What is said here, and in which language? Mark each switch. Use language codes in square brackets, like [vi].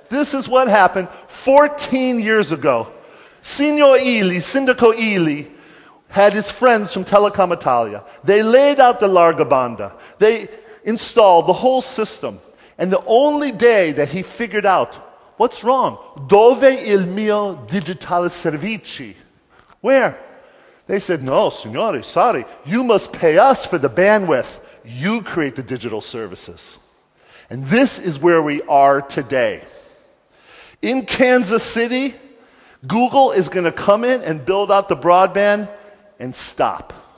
[en] This is what happened 14 years ago. Signor Ili, Sindaco Ili, had his friends from Telecom Italia. They laid out the larga banda. They installed the whole system. And the only day that he figured out, what's wrong? [it] Dove il mio digitale servizi? [en] Where? They said, no, signore, sorry, you must pay us for the bandwidth. You create the digital services. And this is where we are today. In Kansas City, Google is going to come in and build out the broadband and stop.